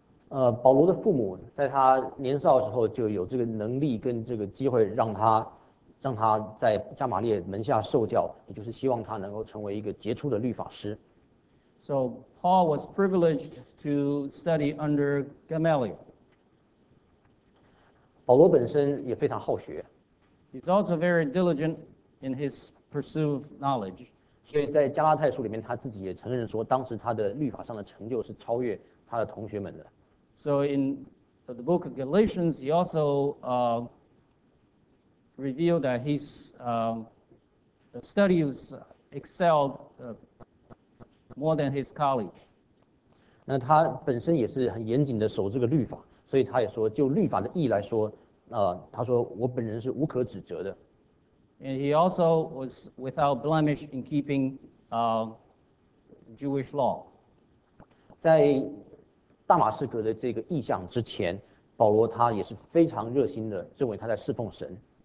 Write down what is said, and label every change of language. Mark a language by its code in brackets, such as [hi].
[zh] 保罗的父母在他年少的时候就有这个能力跟这个机会，让他在加马列门下受教，也就是希望他能够成为一个杰出的律法师。 [en] So Paul was privileged to study under Gamaliel. [zh] 保罗本身也非常好学。 [en] He's also very diligent in his pursuit of knowledge. [zh] 所以在加拉太书里面，他自己也承认说，当时他的律法上的成就是超越他的同学们的。 [en] So in the book of Galatians, he also revealed that his studies excelled more than his colleagues. [zh] 那他本身也是很严谨的守这个律法，所以他也说，就律法的义来说。他说我本人是无可指责的。 [en] And he also was without blemish in keeping Jewish law. [zh] 在大马士革的这个异象之前，保罗他也是非常热心的，认为他在侍奉神。